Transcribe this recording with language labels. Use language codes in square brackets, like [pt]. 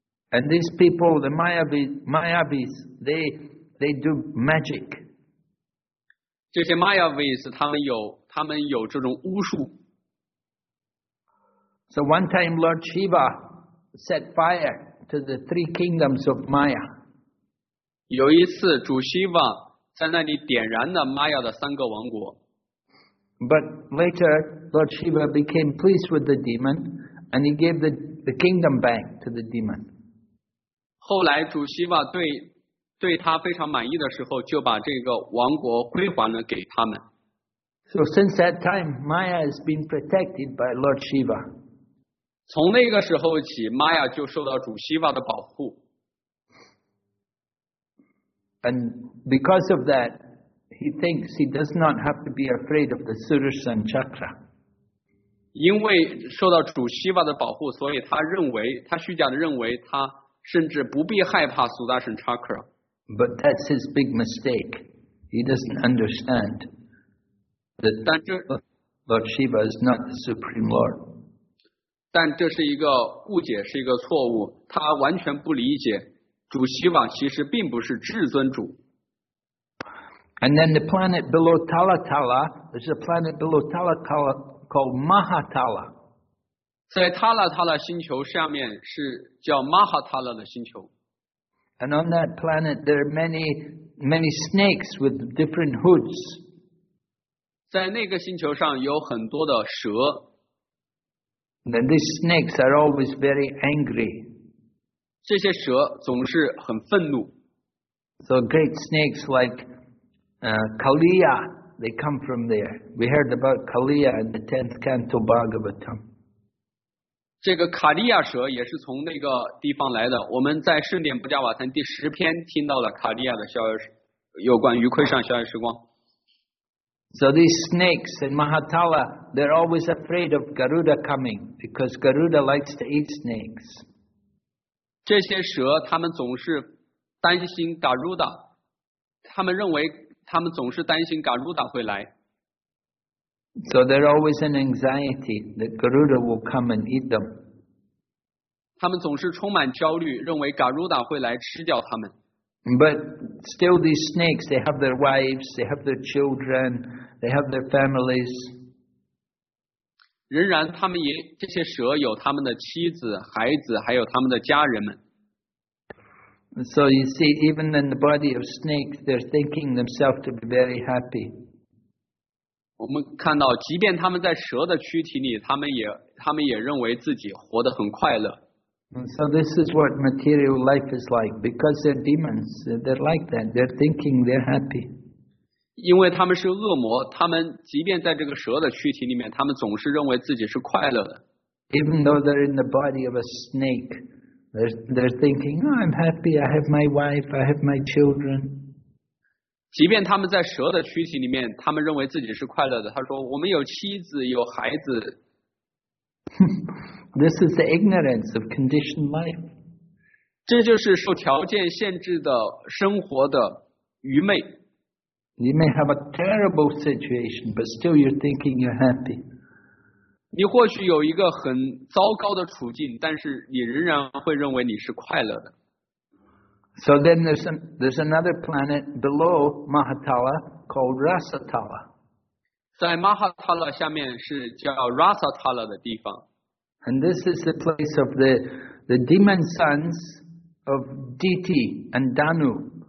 [en] And these people, the Mayavis, they do magic. [zh] 这些 Mayavis 他们有这种巫术。 [en] So one time Lord Shiva. Set fire to the three kingdoms of Maya. [zh] 有一次，主希瓦在那里点燃了 Maya 的三个王国。 [en] But later, Lord Shiva became pleased with the demon, and he gave the kingdom back to the demon. [zh] 后来，主希瓦对他非常满意的时候，就把这个王国归还了给他们。 [en] So since that time, Maya has been protected by Lord Shiva. [zh] 从那个时候起，玛雅就受到主希瓦的保护。 [en] And because of that, he thinks he does not have to be afraid of the Sudarshan Chakra. [zh] 因为受到主希瓦的保护，所以他虚假地认为他甚至不必害怕苏达什查克拉。 [en] But that's his big mistake. He doesn't understand that Lord Shiva is not the Supreme Lord. [zh] 但这是一个误解，是一个错误。他完全不理解，主希瓦其实并不是至尊主。 [en] And then the planet below Talatala, there's a planet below Talatala called Mahatala. [zh] 在 Talatala 星球下面是叫 Mahatala 的星球。 [en] And on that planet, there are many, many snakes with different hoods. [zh] 在那个星球上有很多的蛇。 [en] Then these snakes are always very angry. [zh] 这些蛇总是很愤怒。 [en] So great snakes like Kaliya, they come from there. We heard about Kaliya in the 10th canto Bhagavatam. [zh] 这个卡利亚蛇也是从那个地方来的。我们在圣典不加瓦坛第十篇听到了卡利亚的消息，有关于亏上消息时光。 [en] So these snakes in Mahatala, they're always afraid of Garuda coming because Garuda likes to eat snakes. [zh] 这些蛇他们总是担心 Garuda， 他们认为他们总是担心 Garuda 会来。 [en] So they're always in anxiety that Garuda will come and eat them. [zh] 他们总是充满焦虑，认为 Garuda 会来吃掉他们。 [en] But still, these snakes, they have their wives, they have their children, they have their families. [zh] 仍然，他们也这些蛇有他们的妻子、孩子，还有他们的家人们。 [en] So you see, even in the body of snakes, they're thinking themselves to be very happy. [zh] 我们看到，即便他们在蛇的躯体里，他们也认为自己活得很快乐。 [en] And so this is what material life is like. Because they're demons, they're like that. They're thinking they're happy. [zh] 因为他们是恶魔，他们即便在这个蛇的躯体里面，他们总是认为自己是快乐的。 [en] Even though they're in the body of a snake, they're thinking,、oh, I'm happy. I have my wife. I have my children. [zh] 即便他们在蛇的躯体里面，他们认为自己是快乐的。他说，我们有妻子，有孩子。 [en] This is the ignorance of conditioned life. [zh] 这就是受条件限制的生活的愚昧。 [en] You may have a terrible situation, but still you're thinking you're happy. [zh] 你或许有一个很糟糕的处境，但是你仍然会认为你是快乐的。 [en] So then there's another planet below Mahatala called Rasatala. [zh] 在 Mahatala 下面是叫 Rasatala 的地方。 [en] And this is the place of the demon sons of Diti and Danu.